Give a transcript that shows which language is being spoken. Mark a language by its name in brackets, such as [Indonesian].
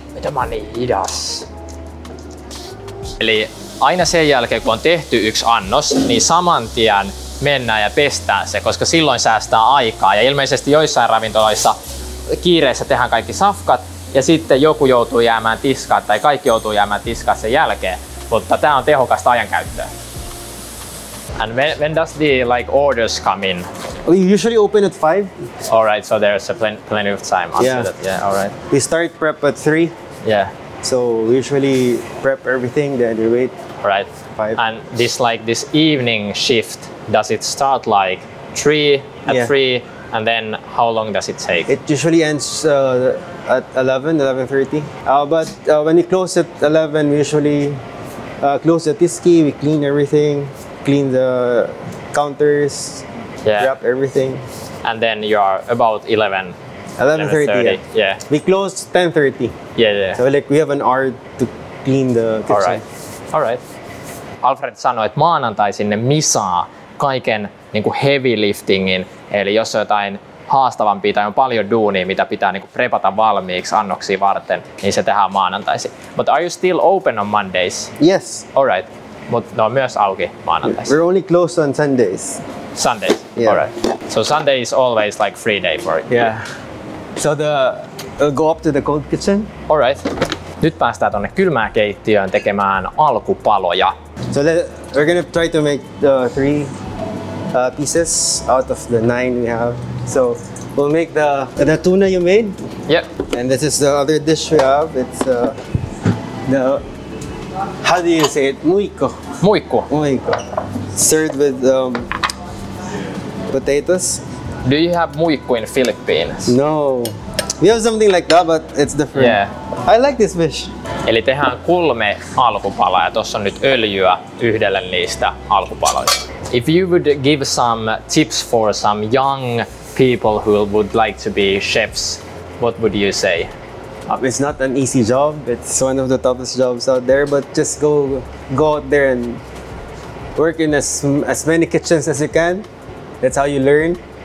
[Finnish] Mä oon niin hidas. Eli aina sen jälkeen, kun on tehty yksi annos, niin saman tien mennään ja pestään se, koska silloin säästää aikaa. Ja ilmeisesti joissain ravintoloissa kiireessä tehdään kaikki safkat, ja sitten joku joutuu jäämään tiskaan, tai kaikki joutuu jäämään tiskaan sen jälkeen. Mutta tää on tehokasta ajankäyttöä. [English] And when does the like orders come in? We usually open at 5. All right, so there's plenty of time after that. Yeah, all right. We start prep at 3. Yeah. So we usually prep everything, then we wait. All right. 5. And this evening shift, does it start like 3 at 3? Yeah. And then how long does it take? It usually ends at 11:30. But when we close at 11, we usually close the tisky, we clean everything. Clean the counters, wrap everything. And then you are about 11. 11:30, yeah. We close 10:30. Yeah. So like we have an hour to clean the kitchen. All right. [Finnish] Alfred sanoi, että maanantai sinne misaa kaiken niin kuin [English] heavy liftingin. [Finnish] Eli jos on jotain haastavampia tai on paljon duunia, mitä pitää niin kuin prepata valmiiksi annoksia varten, niin se tehdään maanantaisin. [English] But are you still open on Mondays? Yes. All right. [Finnish] mutta ne on myös auki maanantaisin. [English] We're only closed on Sundays. Sundays, yeah. All right. So Sunday is always like free day for you. Yeah. So the we'll go up to the cold kitchen. All right. [Finnish] Nyt päästään tuonne kylmään keittiöön tekemään alkupaloja. [English] So we're gonna try to make the three pieces out of the nine we have. So we'll make the tuna you made. Yep. And this is the other dish we have. It's the how do you say it? Muikku. Muikku. Muikku. Served with potatoes. Do you have muikku in Philippines? No. We have something like that, but it's different. Yeah. I like this fish. [Finnish] Eli tehdään kolme alkupalaa ja tuossa on nyt öljyä yhdelle niistä alkupaloista. [English] If you would give some tips for some young people who would like to be chefs, what would you say? It's not an easy job. It's one of the toughest jobs out there, but just go out there and work in as many kitchens as you can. That's how you learn.